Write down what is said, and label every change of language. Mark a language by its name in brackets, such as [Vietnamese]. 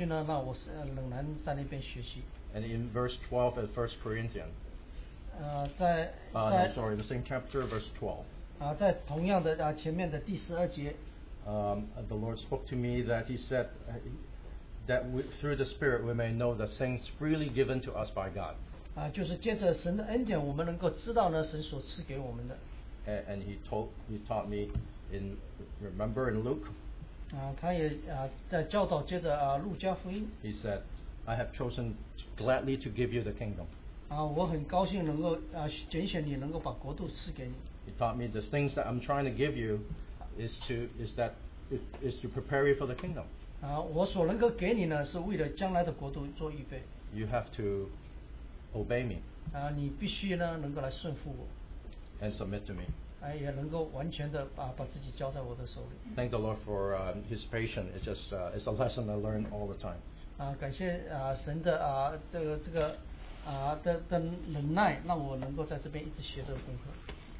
[Chinese] 即使是一个很简单的教训呢，那我是仍然在那边学习。 [English] And in verse 12 of 1 Corinthians. The same chapter, verse 12. [Chinese] 在同样的前面的第十二节。 [English] The Lord spoke to me that He said that through the Spirit we may know the things freely given to us by God. [Chinese] 就是借着神的恩典，我们能够知道呢神所赐给我们的。 [English] And He taught me in remember in Luke. [Chinese] 他也在教导接着路加福音。 [English] He said, I have chosen gladly to give you the kingdom. [Chinese] 我很高兴能够拣选你，能够把国度赐给你。 [English] He taught me the things that I'm trying to give you is to prepare you for the kingdom. [Chinese] 我所能够给你呢，是为了将来的国度做预备。 [English] You have to obey me. [Chinese] 你必须呢，能够来顺服我。 [English] And submit to me. [Chinese] 也能够完全的把自己交在我的手里。 [English] Thank the Lord for His patience. It's just it's a lesson I learn all the time. [Chinese] 感谢神的忍耐，让我能够在这边一直学这个功课。